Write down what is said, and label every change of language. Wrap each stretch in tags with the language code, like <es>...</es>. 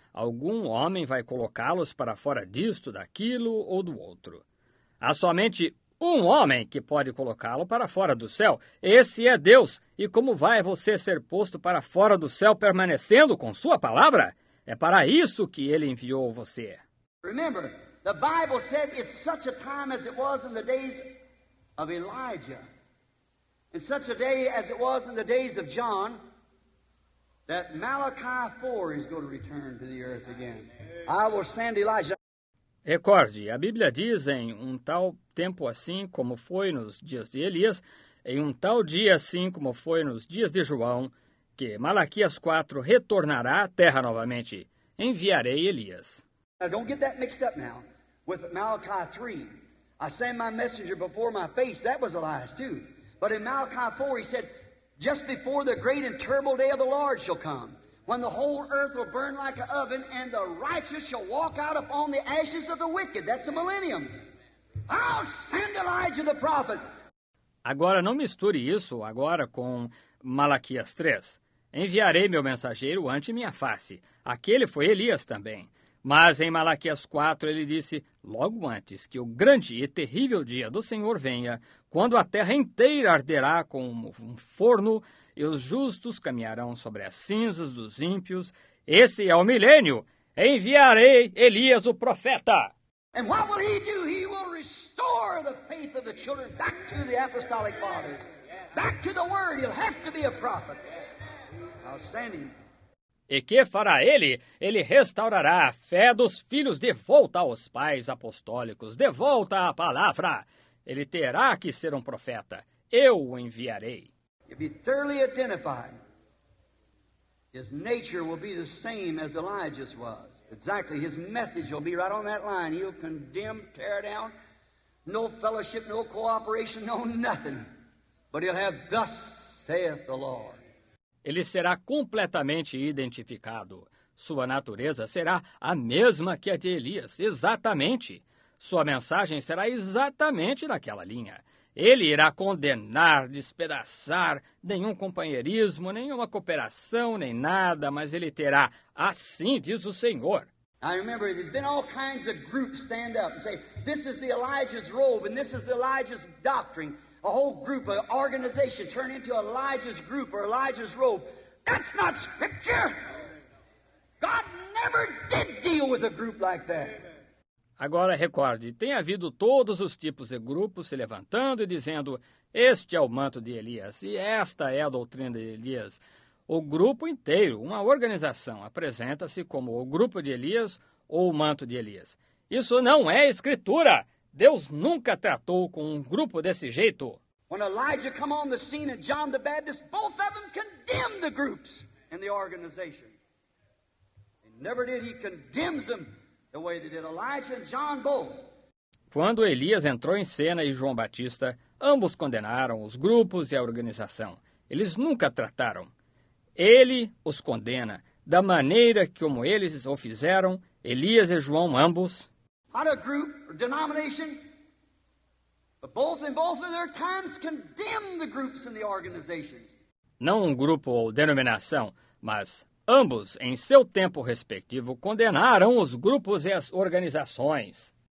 <pt>Algum homem vai colocá-los para fora disto, daquilo ou do outro. Há somente um homem que pode colocá-lo para fora do céu. Esse é Deus. E como vai você ser posto para fora do céu permanecendo com sua palavra? É para isso que ele enviou você.</pt> <en>Remember, the Bible said it's such a time as it was in the days of Elijah, in such a day as it was in the days of John, that Malachi 4 is going to return to the earth again. I will send Elijah.</en> <pt>Recorde, a Bíblia diz em um tal tempo assim como foi nos dias de Elias, em um tal dia assim como foi nos dias de João, que Malaquias 4 retornará à terra novamente. Enviarei Elias.</pt> <en>Now don't get that mixed up now with Malachi 3. I send my messenger before my face. That was Elias too. But in Malachi 4 he said, just before the great and terrible day of the Lord shall come, when the whole earth will burn like an oven and the righteous shall walk out upon the ashes of the wicked. That's the millennium. I'll send Elijah the prophet.</en> <pt>Agora, não misture isso agora com Malaquias 3. Enviarei meu mensageiro ante minha face. Aquele foi Elias também. Mas em Malaquias 4 ele disse, logo antes que o grande e terrível dia do Senhor venha, quando a terra inteira arderá como um forno, e os justos caminharão sobre as cinzas dos ímpios. Esse é o milênio. Enviarei Elias o profeta.</pt> <en>And what will he do? He will restore the faith of the children back to the apostolic father. Back to the word. He'll have to be a prophet. I'll send him.</en> <pt>E que fará ele? Ele restaurará a fé dos filhos de volta aos pais apostólicos. De volta à palavra. Ele terá que ser um profeta. Eu o enviarei.</pt> <en>If he thoroughly identified, his nature will be the same as Elijah's was. Exactly, his message will be right on that line. He'll condemn, tear down, no fellowship, no cooperation, no nothing. But he'll have, thus saith the Lord.</en> <pt>Ele será completamente identificado. Sua natureza será a mesma que a de Elias, exatamente. Sua mensagem será exatamente naquela linha. Ele irá condenar, despedaçar, nenhum companheirismo, nenhuma cooperação, nem nada, mas ele terá, assim diz o Senhor.</pt> <en>I remember there's been all kinds of groups stand up and say, this is the Elijah's robe and this is the Elijah's doctrine. A whole group, an organization turn into Elijah's group or Elijah's robe. That's not scripture. God never did deal with a group like that.</en> <pt>Agora, recorde, tem havido todos os tipos de grupos se levantando e dizendo, este é o manto de Elias e esta é a doutrina de Elias. O grupo inteiro, uma organização, apresenta-se como o grupo de Elias ou o manto de Elias. Isso não é escritura. Deus nunca tratou com um grupo desse jeito. Quando</pt> <en>Elijah came on the scene and John the Baptist, both of them condemned the groups and the organization. Never did he condemns them. The way they did Elijah and John both.</en> <pt>Quando Elias entrou em cena e João Batista, ambos condenaram os grupos e a organização. Eles nunca trataram. Ele os condena. Da maneira como eles o fizeram, Elias e João ambos.</pt> <en>Not a group or denomination, but both in both of their times condemned the groups and the organizations.</en> <pt>Não um grupo ou denominação, mas ambos, em seu tempo respectivo, condenaram os grupos e as organizações.</pt>